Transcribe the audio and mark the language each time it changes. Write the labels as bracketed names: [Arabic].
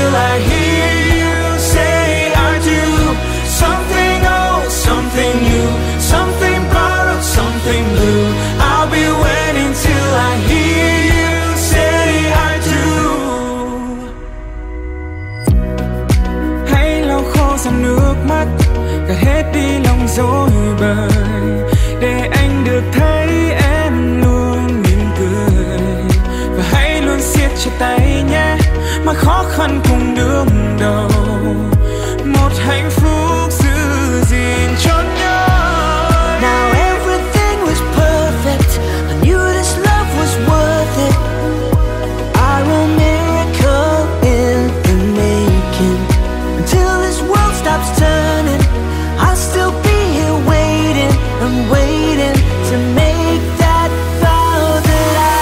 [English] I hear you say I do. Something old, something new, something borrowed, something blue. I'll be waiting till I hear you say I do. [Vietnamese] Hãy lau khô giọt nước mắt, gạt hết đi lòng rối bời, để anh được thấy em luôn mỉm cười. Và hãy luôn siết chặt tay nhé, mà khó khăn cùng đương đầu, một hạnh phúc giữ gìn cho nhau. [English] Now everything was perfect, I knew this love was worth it. I will miracle in the making. Until this world stops turning, I'll still be here waiting. I'm waiting to make that vow that